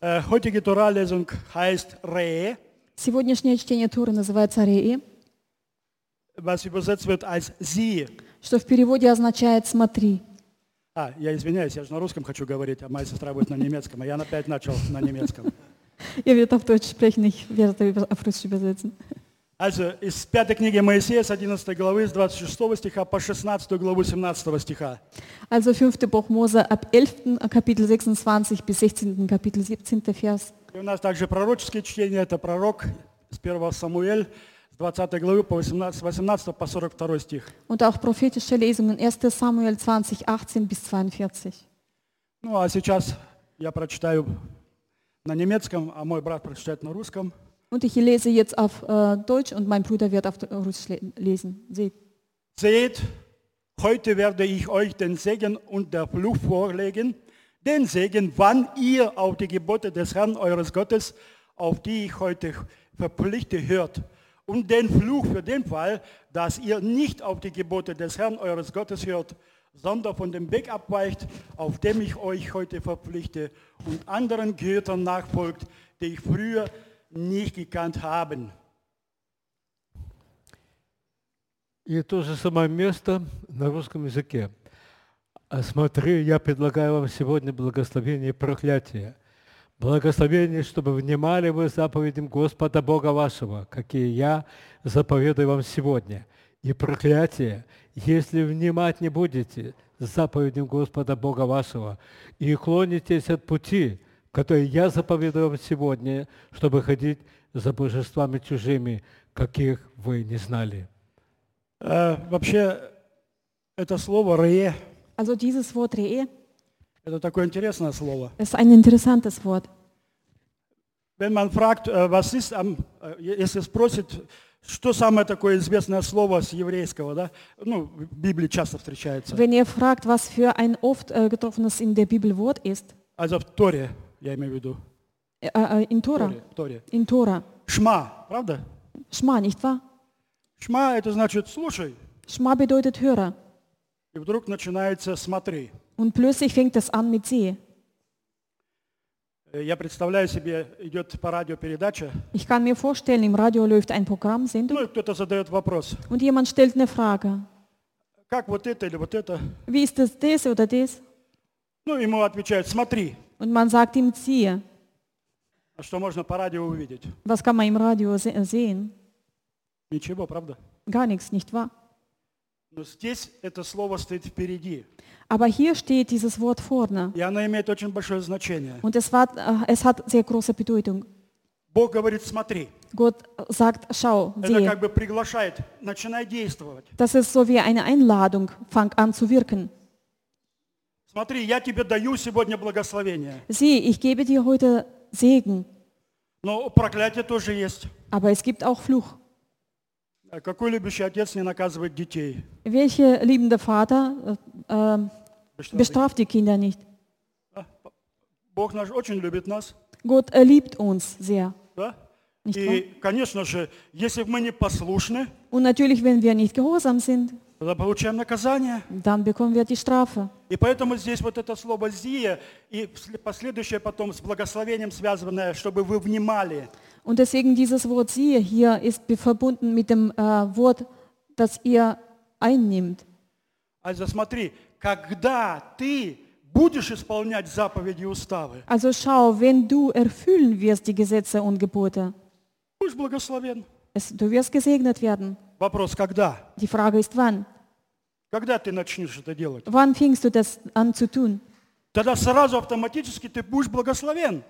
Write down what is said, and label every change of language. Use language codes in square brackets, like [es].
[de] Heutige Tora-Lesung heißt Re. [ru] Сегодняшнее чтение Торы называется Реи. [de] Was übersetzt wird als Sie. [ru] Что в переводе означает «смотри». А, я извиняюсь, я же на русском хочу говорить, а моя сестра будет на немецком, а я опять начал на немецком. Я веду в [de] Deutsch sprechen, ich werde das auf Russisch übersetzen. [ru] Also, из пятой книги Моисея, с 11 главы, с 26 стиха по 16 главу 17 стиха. [de] Also, 5. Buch Mose, ab 11. Kapitel 26 bis 16. Kapitel 17. Vers. [ru] И у нас также пророческое чтение, это пророк, с 1 Самуэль, с 20 главы, по 18 по 42 стих. [de] Und auch prophetische Lesungen, 1. Samuel 20, 18 bis 42. [ru] Ну, а сейчас я прочитаю на немецком, а мой брат прочитает на русском. [de] Und ich lese jetzt auf Deutsch und mein Bruder wird auf Russisch lesen. Seht, heute werde ich euch den Segen und der Fluch vorlegen, den Segen, wann ihr auf die Gebote des Herrn eures Gottes, auf die ich heute verpflichte, hört, und den Fluch für den Fall, dass ihr nicht auf die Gebote des Herrn eures Gottes hört, sondern von dem Weg abweicht, auf dem ich euch heute verpflichte und anderen Göttern nachfolgt, die ich früher nicht gekannt haben. [ru] И то же самое место на русском языке. Смотри, я предлагаю вам сегодня благословение и проклятие. Благословение, чтобы внимали вы заповедям Господа Бога вашего, какие я заповедую вам сегодня. И проклятие, если внимать не будете заповедям Господа Бога вашего и уклонитесь от пути, которые я заповедую вам сегодня, чтобы ходить за божествами чужими, каких вы не знали. Вообще, это слово «ре». [de] Also dieses Wort «ре». [ru] Это такое интересное слово. [de] Es ist ein interessantes Wort. Wenn man fragt, was ist, [ru] если спросит, что самое такое известное слово с еврейского, да? Ну, в Библии часто встречается. [de] Wenn ihr fragt, was für ein oft getroffenes in der Bibel Wort ist. [ru] Also в Торе. Я имею в виду. Интора. Шма, правда? [de] Шма, nicht wahr? [ru] Шма это значит слушай. [de] Шма bedeutet höre. [ru] И вдруг начинается смотри. [de] Und plötzlich fängt es an mit sie. [ru] Я представляю себе идет по радиопередача. [de] Ich kann mir vorstellen, im Radio läuft ein Programm, Sendung. [ru] Ну, кто-то задает вопрос. [de] Und jemand stellt eine Frage. [ru] Как вот это или вот это? [de] Wie ist das, das oder das? [ru] Ну, ему отвечают, смотри. [de] Und man sagt ihm, ziehe. [ru] А что можно по радио увидеть? [de] Was kann man im Radio sehen? [ru] Ничего, правда? [de] Gar nichts, nicht wahr? [ru] Но здесь это слово стоит впереди. [de] Aber hier steht dieses Wort vorne. [ru] И оно имеет очень большое значение. [de] Und es hat sehr große Bedeutung. [ru] Бог говорит, смотри. [de] Gott sagt, schau, ziehe. [ru] Это как бы приглашает, начинай действовать. [de] Das ist so wie eine Einladung, fang an zu wirken. [ru] Смотри, я тебе даю сегодня благословение. [de] Sieh, ich gebe dir heute Segen. [ru] Но проклятие тоже есть. [de] Aber es gibt auch Fluch. [ru] Какой любящий отец не наказывает детей? [de] Welcher liebende Vater bestraft die Kinder nicht? [ru] Бог наш очень любит нас. [de] Gott liebt uns sehr. [ru] Да? И, конечно же, если мы не послушны, [de] und natürlich, wenn wir nicht gehorsam sind, [ru] тогда получаем наказание. [de] Dann bekommen wir die Strafe. [ru] И поэтому здесь вот это слово «зие» и последующее потом с благословением связанное, чтобы вы внимали. [de] Und deswegen dieses Wort «зие» hier ist verbunden mit dem Wort, das ihr einnimmt. [ru] Also смотри, когда ты будешь исполнять заповеди и уставы, [de] also schau, wenn du erfüllen wirst die Gesetze und Gebote, [ru] будешь благословен. [de] Du wirst gesegnet werden. [ru] Вопрос, когда? [de] Die Frage ist, wann? [ru] Когда ты начнешь это делать? [de] Wann fängst du das an zu tun? [ru] Тогда сразу автоматически ты будешь благословен.